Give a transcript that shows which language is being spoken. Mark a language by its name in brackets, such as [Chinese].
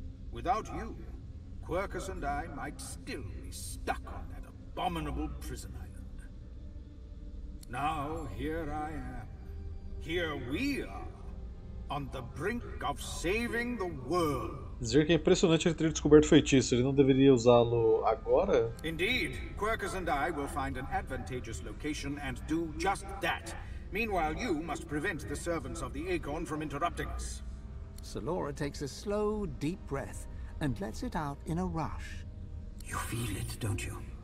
[English] Without you, Quercus and I might still be stuck on that abominable prison island. Now, here I am. Here we are, on the brink of saving the world. [Portuguese] Dizer que é impressionante ele ter descoberto feitiço. Ele não deveria usá-lo agora? [English] Indeed, Quercus and I will find an advantageous location and do just that. Meanwhile, you must prevent the servants of the Acorn from interrupting us. Solora takes a slow, deep breath and lets it out in a rush. You feel it, don't you?